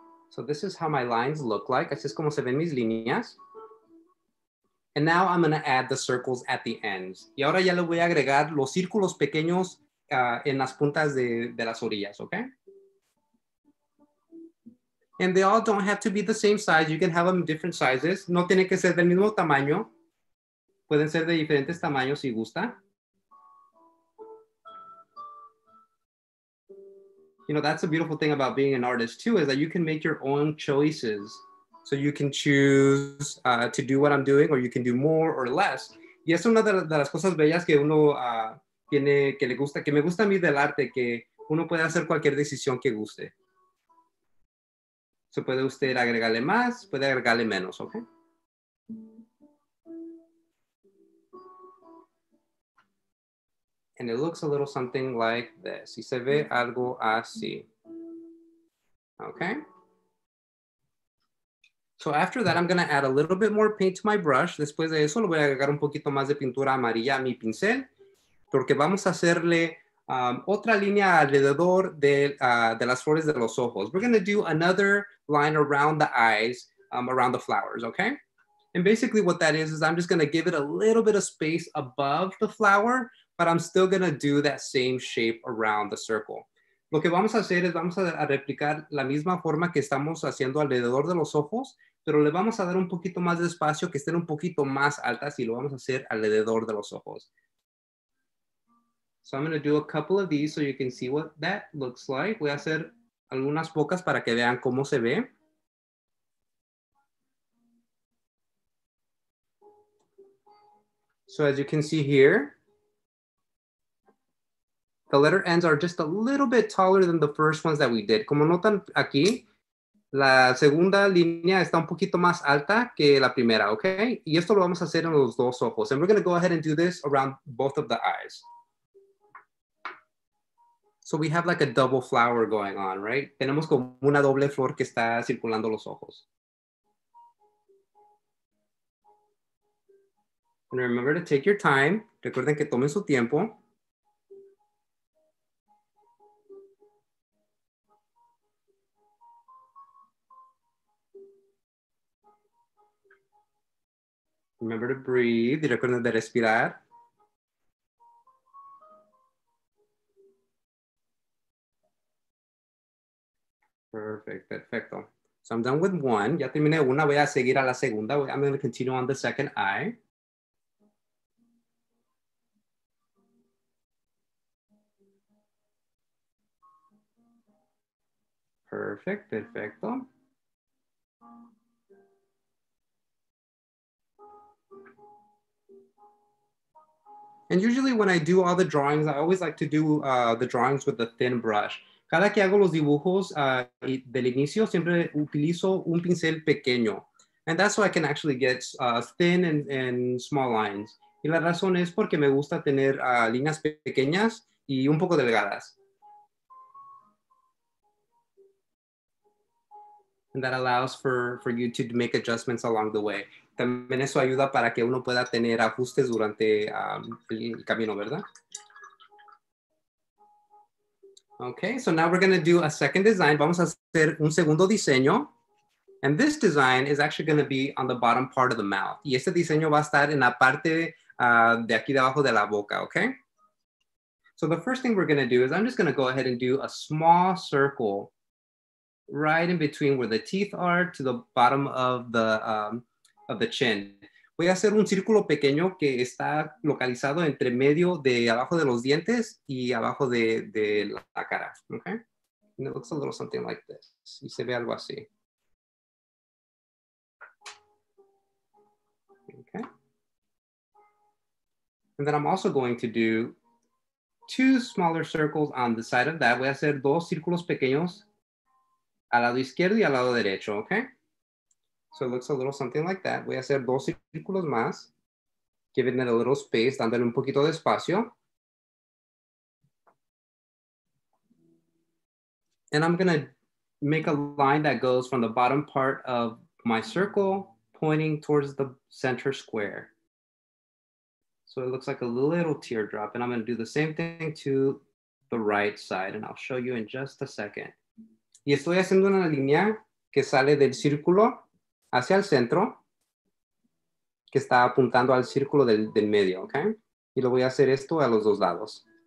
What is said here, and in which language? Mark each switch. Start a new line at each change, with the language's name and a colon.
English: So this is how my lines look like.
Spanish: Así es como se ven mis líneas.
English: And now I'm going to add the circles at the ends.
Spanish: Y ahora ya le voy a agregar los círculos pequeños en las puntas de las orillas, okay?
English: And they all don't have to be the same size. You can have them in different sizes.
Spanish: No tiene que ser del mismo tamaño. Pueden ser de diferentes tamaños si gusta.
English: You know, that's a beautiful thing about being an artist too, is that you can make your own choices. So you can choose to do what I'm doing, or you can do more or less.
Spanish: Y es una de las cosas bellas que uno tiene, que le gusta, que me gusta a mí del arte, que uno puede hacer cualquier decisión que guste. So puede usted agregarle más, puede agregarle menos, okay?
English: And it looks a little something like this.
Spanish: Y se ve algo así.
English: Okay. So after that, I'm gonna add a little bit more paint to my brush.
Spanish: Después de eso, le voy a agregar un poquito más de pintura amarilla a mi pincel, porque vamos a hacerle otra línea alrededor de las flores de los ojos.
English: We're gonna do another line around the eyes, around the flowers, okay? And basically what that is I'm just gonna give it a little bit of space above the flower, but I'm still gonna do that same shape around the circle.
Spanish: Lo que vamos a hacer es vamos a replicar la misma forma que estamos haciendo alrededor de los ojos, pero le vamos a dar un poquito más de espacio que estén un poquito más altas y lo vamos a hacer alrededor de los ojos.
English: So I'm gonna do a couple of these so you can see what that looks like.
Spanish: Voy a hacer algunas pocas para que vean cómo se ve.
English: So as you can see here, The letter N's are just a little bit taller than the first ones that we did.
Spanish: Como notan aquí, la segunda línea está un poquito más alta que la primera, okay? Y esto lo vamos a hacer en los dos ojos.
English: And we're going to go ahead and do this around both of the eyes. So we have like a double flower going on, right?
Spanish: Tenemos como una doble flor que está circulando los ojos.
English: And remember to take your time.
Spanish: Recuerden que tomen su tiempo.
English: Remember to breathe.
Spanish: Recuerden de respirar.
English: Perfect, perfecto. So I'm done with one.
Spanish: Ya terminé una, voy a seguir a la segunda.
English: I'm going to continue on the second eye. Perfect, perfecto. And usually when I do all the drawings, I always like to do the drawings with a thin brush.
Spanish: Cada que hago los dibujos del inicio, siempre utilizo un pincel pequeño.
English: And that's so I can actually get thin and small lines.
Spanish: Y la razón es porque me gusta tener líneas pequeñas y un poco delgadas.
English: And that allows for you to make adjustments along the way.
Spanish: También eso ayuda para que uno pueda tener ajustes durante el camino, ¿verdad?
English: Okay, so now we're going to do a second design.
Spanish: Vamos a hacer un segundo diseño.
English: And this design is actually going to be on the bottom part of the mouth.
Spanish: Y este diseño va a estar en la parte de aquí debajo de la boca, okay?
English: So the first thing we're going to do is I'm just going to go ahead and do a small circle right in between where the teeth are to the bottom of the chin.
Spanish: Voy a hacer un círculo pequeño que está localizado entre medio de abajo de los dientes y abajo de la cara, okay?
English: And it looks a little something like this.
Spanish: Y se ve algo así.
English: Okay. And then I'm also going to do two smaller circles on the side of that.
Spanish: Voy a hacer dos círculos pequeños al lado izquierdo y al lado derecho, okay?
English: So it looks a little something like that.
Spanish: Voy a hacer dos círculos más,
English: giving it a little space,
Spanish: dándole un poquito de espacio.
English: And I'm gonna make a line that goes from the bottom part of my circle pointing towards the center square. So it looks like a little teardrop, and I'm gonna do the same thing to the right side, and I'll show you in just a second.
Spanish: Y estoy haciendo una línea que sale del círculo hacia el centro, que está apuntando al círculo del medio, ¿ok? Y lo voy a hacer esto a los dos lados.